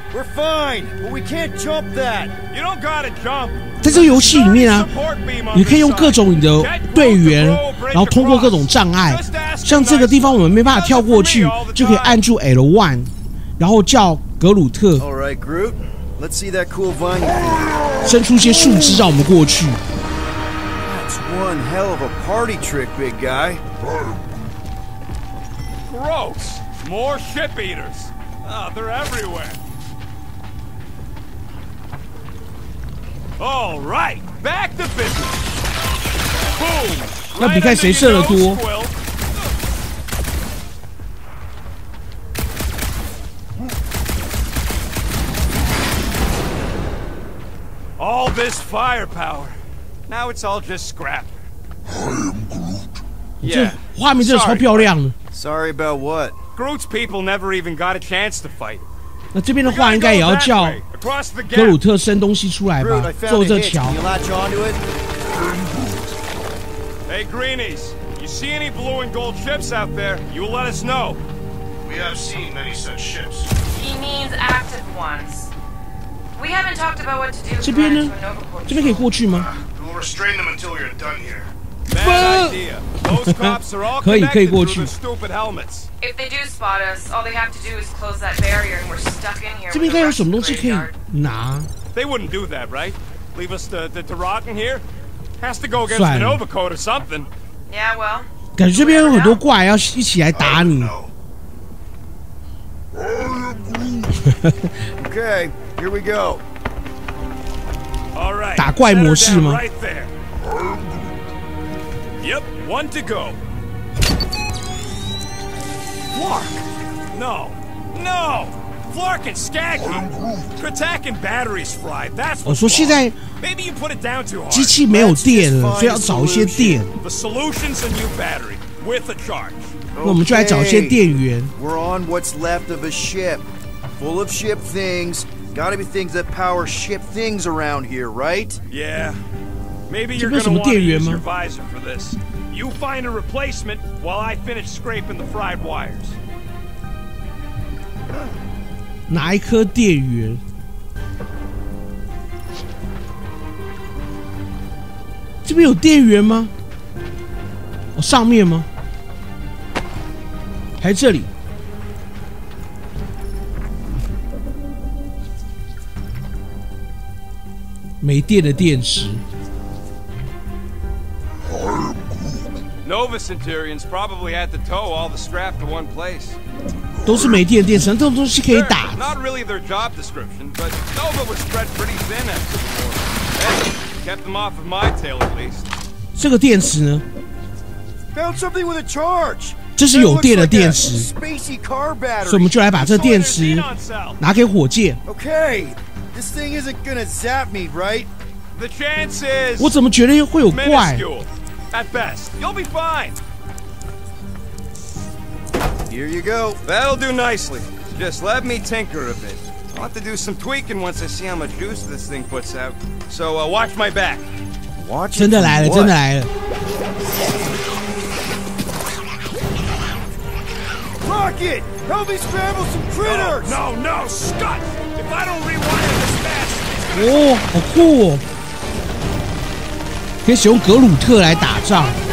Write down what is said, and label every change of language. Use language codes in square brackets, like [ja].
[en] we're fine, but we can't jump that. You don't gotta jump. [zh] 在这个游戏里面啊，你可以用各种你的队员，然后通过各种障碍。像这个地方我们没办法跳过去，就可以按住 L1， 然后叫格鲁特。 [en] All right, Groot, let's see that cool vine. [zh] 伸出一些树枝让我们过去。 [en] That's one hell of a party trick, big guy. Gross! More ship eaters! Oh, they're everywhere. All right, back to business. Boom! [zh] 那比看谁射得多。 [en] All this firepower. Now it's all just scrap. I am Groot. Yeah. [zh] 画面真的超漂亮。 [en] Sorry about what? Groot's people never even got a chance to fight. [zh] 那这边的话应该也要叫格鲁特伸东西出来吧，做这桥。 [en] Hey, greenies, you see any blue and gold ships out there? You let us know. We have seen many such ships. He means active ones. We haven't talked about what to do. [zh] 这边呢？这边可以过去吗？ [en] We'll restrain them until you're done here. Bad idea. Those cops are all connected through the stupid helmets. If they do spot us, all they have to do is close that barrier, and we're stuck in here. [zh] 这边应该有什么东西可以拿 [en] ？They wouldn't do that, right? Leave us to rot in here? Has to go against the Nova Code or something. Yeah, well. [zh] 感觉这边有很多怪要一起来打你。 [en] Okay, here we go. All right. [zh] 打怪模式吗？ [en] Yep, one to go. Flark! No! No! Flark and Skaggy! Kratak and batteries fried, that's what's wrong. Maybe you put it down too hard. [zh] 机器没有电了，所以要找一些电。 [en] The solution's a new battery, with a charge. [zh] 那我们就来找一些电源。 [en] We're on what's left of a ship. Full of ship things. Gotta be things that power ship things around here, right? Yeah. Maybe you're gonna want to use your visor for this. You find a replacement while I finish scraping the fried wires. [zh] 哪一颗电源？这边有电源吗？哦，上面吗？还这里？没电的电池。 [en] Nova Centurions probably had to tow all the scrap to one place. [zh] 都是没电的电池，这种东西可以打。 [en] Sure, not really their job description, but Nova was spread pretty thin after the war. Hey, kept them off of my tail at least. [zh] 这个电池呢？ [en] Found something with a charge. [zh] 这是有电的电池。 [en] Like、spacey car battery. [zh] 所以我们就来把这个电池拿给火箭。 [en] Okay, this thing isn't gonna zap me, right? The chances. [zh] 我怎么觉得会有怪？ [en] At best, you'll be fine. Here you go. That'll do nicely. Just let me tinker a bit. I'll have to do some tweaking once I see how much juice this thing puts out. So, watch my back. Watch. [zh] 真的来了，真的来了。 [en] Rocket, help me scramble some critters. No, no, no, Scott. If I don't rewire this fast, [zh] oh, 好酷哦。可以使用格鲁特来打仗。